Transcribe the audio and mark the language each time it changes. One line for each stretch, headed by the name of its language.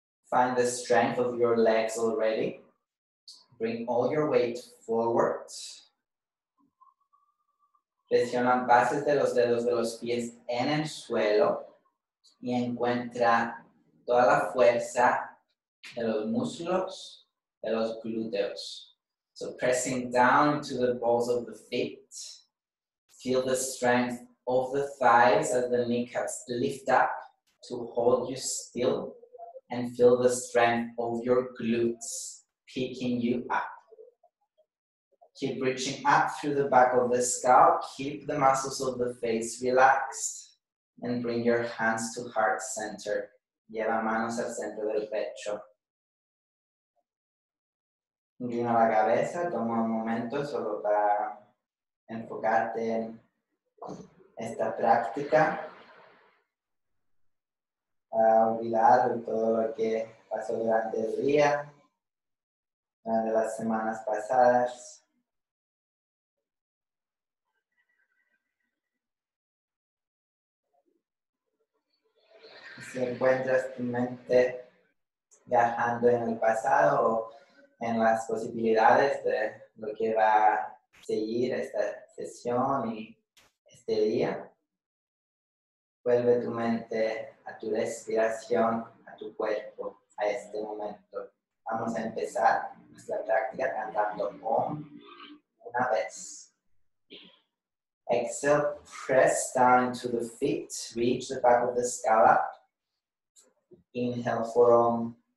English: Find the strength of your legs already. Bring all your weight forward.
Spanish: Presiona bases de los dedos de los pies en el suelo y encuentra toda la fuerza de los músculos, de los glúteos.
English: So pressing down into the balls of the feet. Feel the strength of the thighs as the kneecaps lift up to hold you still and feel the strength of your glutes picking you up. Keep reaching up through the back of the scalp, keep the muscles of the face relaxed and bring your hands to heart center.
Spanish: Lleva manos al centro del pecho. Inclina la cabeza, toma un momento solo para enfocarte en esta práctica. olvidar de todo lo que pasó durante el día, durante las semanas pasadas. Si encuentras tu mente viajando en el pasado o en las posibilidades de lo que va a seguir esta sesión y este día, vuelve tu mente a tu respiración, a tu cuerpo, a este momento. Vamos a empezar nuestra práctica cantando OM una vez.
English: Exhale, press down into the feet, reach the back of the skull up. Inhale for OM.